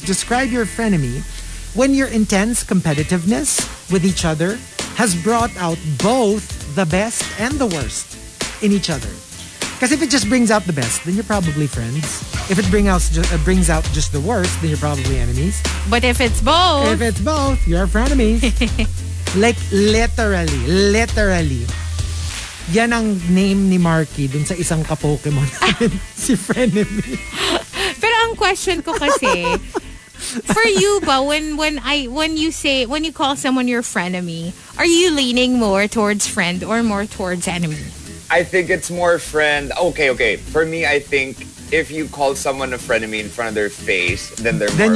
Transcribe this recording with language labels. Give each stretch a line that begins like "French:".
English: Describe your frenemy when your intense competitiveness with each other has brought out both the best and the worst in each other. Because if it just brings out the best, then you're probably friends. If it brings out just the worst, then you're probably enemies. But if it's both... If it's both, you're frenemies. Like, literally. Literally.
Filipino: Yan ang name ni Markki dun sa isang ka-Pokemon. Si frenemy. Pero ang question ko kasi...
English: For you ba, when you call someone your frenemy, are you leaning more towards friend or more towards enemy? I think it's more friend. Okay. For me, I think if you call someone a frenemy in front of their face, then they're then more